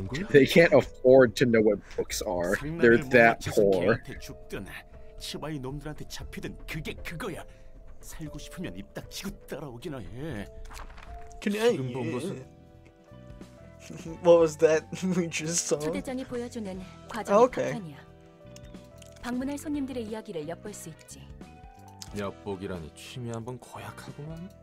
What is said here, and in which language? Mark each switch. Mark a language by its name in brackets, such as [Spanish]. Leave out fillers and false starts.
[English] They can't afford to know what books are. They're that poor. [Korean] 죽든, 치바이 놈들한테 잡히든 그게 그거야. 살고 싶으면 입 닥치고 따라오기나 해. 지금 본 것은 [English] What was that we just saw? [Korean] 초대장이 보여주는 과정의 패턴이야. 방문할 손님들의 이야기를 엿볼 수 있지. 엿보기라니 취미 한번 고약하구만.